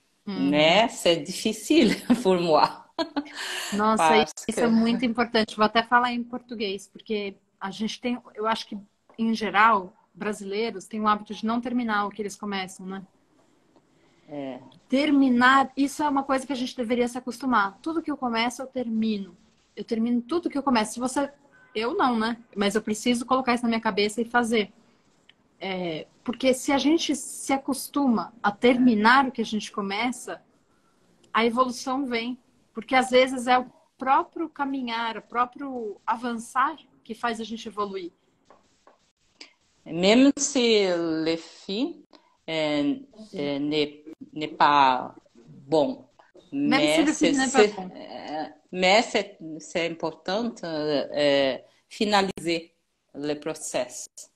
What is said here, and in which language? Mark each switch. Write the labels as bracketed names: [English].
[French] Mais c'est difficile pour moi. [Portuguese] Não, [French] Parce [Portuguese] isso é muito importante. Vou até falar em português, porque a gente tem, eu acho que em geral, brasileiros têm o hábito de não terminar o que eles começam, né? Terminar, isso é uma coisa que a gente deveria se acostumar. Tudo que eu começo, eu termino. Eu termino tudo que eu começo. Se você, eu não, né? Mas eu preciso colocar isso na minha cabeça e fazer. Porque se a gente se acostuma a terminar o que a gente começa, a evolução vem. Porque às vezes é o próprio caminhar, o próprio avançar que faz a gente evoluir. [French] Même si le fin n'est pas bon, Même si le film n'est pas bon. mais c'est important de finaliser le process.